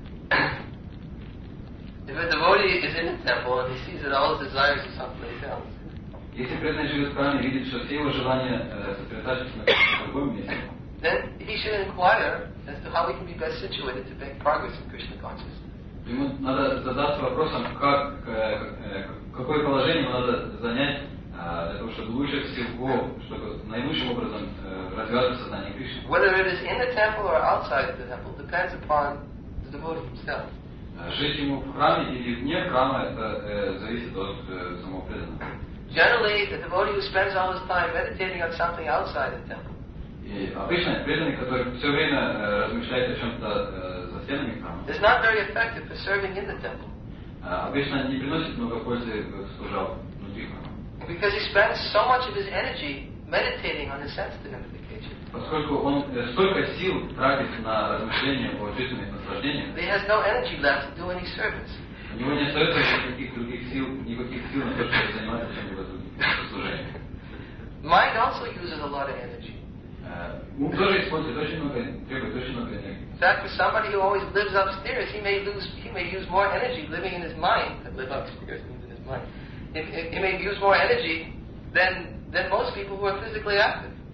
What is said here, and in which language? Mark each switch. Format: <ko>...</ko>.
<en>if a devotee is in a temple and he sees that all his desires are someplace else,</en> <ru>если преданный живет в храме, видит, что все его желания сосредоточены на другом месте,</ru> <en>then he should inquire as to how he can be best situated to make progress in Krishna consciousness.</en> <ru>Ему надо задаться вопросом, как какое положение ему надо занять для того, чтобы лучше всего, чтобы наилучшим образом развиваться сознание Кришны.</ru> <en>Whether it is in the temple or outside the temple depends upon the devotee himself.</en> <ru>Жить ему в храме или вне храма, это зависит от самого преданного.</ru> <en>Generally, the devotee who spends all his time meditating on something outside the temple.</en> <ru>И обычно преданный, который все время размышляет о чем-то за стенами храма,</ru> <en>is not very effective for serving in the temple.</en> <ru>Обычно не приносит много пользы в служал внутри храма.</ru> <en>Because he spends so much of his energy meditating on the sense identification.</en> <ru>Поскольку он столько сил тратит на размышления о чувственных наслаждениях,</ru> <en>he has no energy left to do any service.</en> <ru>У него не остается никаких других сил, никаких сил на то, чтобы заниматься чем-либо служением.</ru> <en>Mind also uses a lot of energy.</en> <ru>Ум тоже использует очень много, требует очень много энергии.</ru> <en>In fact, for somebody who always lives upstairs, he may use more energy living in his mind than live upstairs than in his mind. He may use more energy than most people who are physically active.</en>